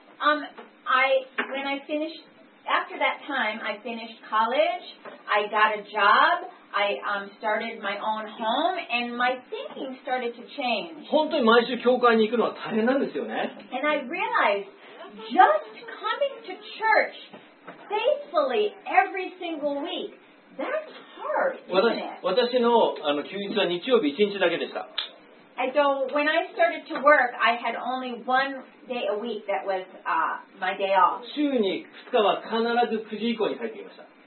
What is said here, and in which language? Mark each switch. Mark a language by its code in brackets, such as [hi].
[en] But when I finished after that time, I finished college, I got a job, I started my own home, and my thinking started to change. [ja] 本当に毎週教会に行くのは大変なんですよね。 [en] And I realized just coming to church faithfully every single week, that's hard, isn't it? [ja] 私の休日は日曜日一日だけでした。 [en] And so when I started to work, I had only one day a week that was my day off. [ja] 週に2日は必ず9時以降に入っていました。